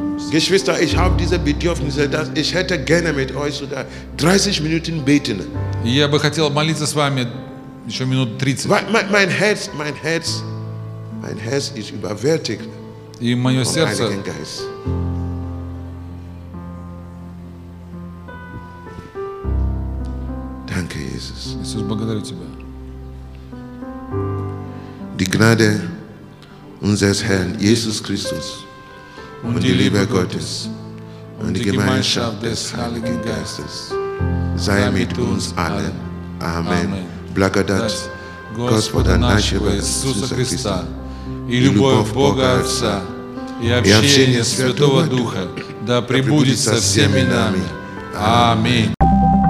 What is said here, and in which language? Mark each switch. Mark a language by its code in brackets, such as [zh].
[de] Geschwister, ich habe diese Bedürfnisse, dass ich hätte gerne mit euch so 30 Minuten beten. [ru] Я бы хотел молиться с вами еще минут 30. [de] Mein Herz ist überwältigt. [ru] И мое сердце. [de] Danke, Jesus. [ru] Иисус, благодарю тебя. [de] Die Gnade unseres Herrn Jesus Christus. Und die Liebe Gottes und die Gemeinschaft des Heiligen Geistes sei mit uns allen. Amen. [ru] Благодать Господа нашего Иисуса Христа и любовь Бога Отца и общение Святого Духа да пребудет со всеми нами. Аминь.